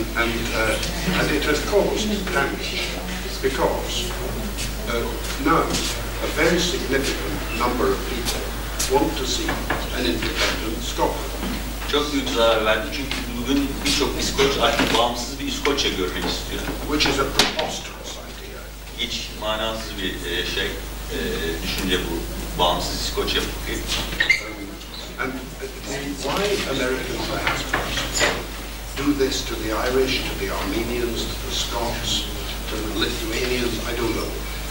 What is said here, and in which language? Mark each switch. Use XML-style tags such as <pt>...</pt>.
<en>And it has caused damage because now a very significant number of people want to see an independent Scotland.</en> <tr>Çok büyük zarar verdi çünkü bugün birçok İskoç artık bağımsız bir İskoçya görmek istiyor.</tr> <en>Which is a preposterous idea.</en> <tr>Hiç manasız bir şey düşünce bu bağımsız İskoçya fikri.</tr> <en>And why Americans perhaps do this to the Irish, to the Armenians, to the Scots, to the Lithuanians, I don't know.</en>